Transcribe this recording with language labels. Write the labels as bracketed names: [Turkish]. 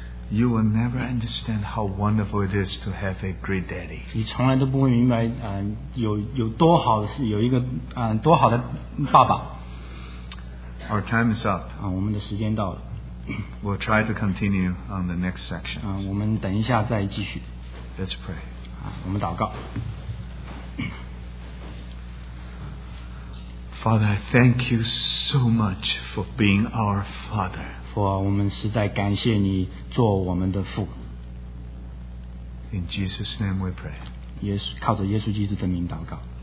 [English] You will never understand how wonderful it is to have a great daddy. [Chinese] 你从来都不会明白，有多好是有一个，多好的爸爸。 [English] Our time is up. [Chinese] 啊，我们的时间到了。 [English] We'll try to continue on the next section. [Chinese] 啊，我们等一下再继续。 [English] Let's pray. [Chinese] 啊，我们祷告。 [English] Father, I thank you so much for being our father. [Chinese] 父啊，我们实在感谢你做我们的父。 [English] In Jesus' name we pray. [Chinese] 靠着耶稣基督的名祷告。